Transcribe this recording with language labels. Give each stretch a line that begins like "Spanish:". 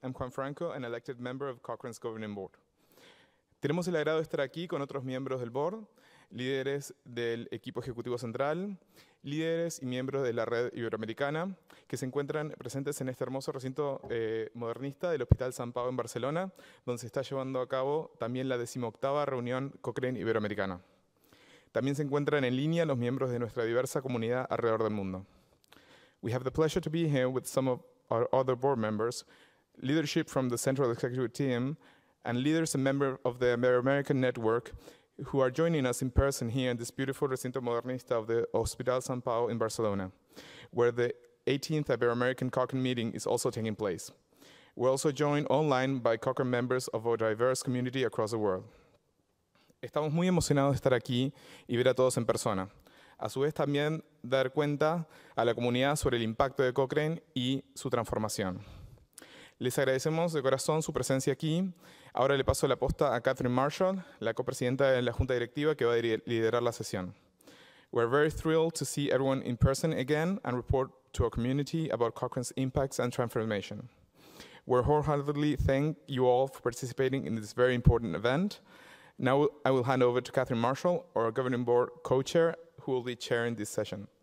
English: I'm Juan Franco, an elected member of Cochrane's governing board.
Spanish: Tenemos el agrado de estar aquí con otros miembros del board, líderes del equipo ejecutivo central, líderes y miembros de la red iberoamericana que se encuentran presentes en este hermoso recinto modernista del Hospital San Pau en Barcelona, donde se está llevando a cabo también la 18ª reunión Cochrane Iberoamericana. También se encuentran en línea los miembros de nuestra diversa comunidad alrededor del mundo.
English: We have the pleasure to be here with some of our other board members, leadership from the Central Executive Team, and leaders and members of the American Network who are joining us in person here in this beautiful
Spanish: recinto modernista
English: of the Hospital San Pau in Barcelona, where the 18th Ibero-American Cochrane meeting is also taking place. We're also joined online by Cochrane members of our diverse community across the world.
Spanish: Estamos muy emocionados de estar aquí y ver a todos en persona. A su vez, también dar cuenta a la comunidad sobre el impacto de Cochrane y su transformación. Les agradecemos de corazón su presencia aquí. Ahora le paso la posta a Catherine Marshall, la copresidenta de la Junta Directiva, que va a liderar la sesión.
English: We're very thrilled to see everyone in person again and report to our community about Cochrane's impacts and transformation. We're wholeheartedly thank you all for participating in this very important event. Now I will hand over to Catherine Marshall, our governing board co-chair, who will be chairing this session.